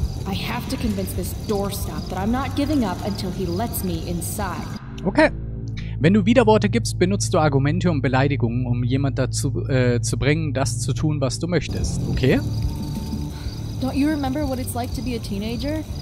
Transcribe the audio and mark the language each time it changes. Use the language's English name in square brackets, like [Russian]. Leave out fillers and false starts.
[English] I have to convince this doorstop that I'm not giving up until he lets me inside. Okay. [German] Wenn du Widerworte gibst, benutzt du Argumente und Beleidigungen, um jemand dazu zu bringen, das zu tun, was du möchtest. [English] Okay? Don't you remember what it's like to be a teenager?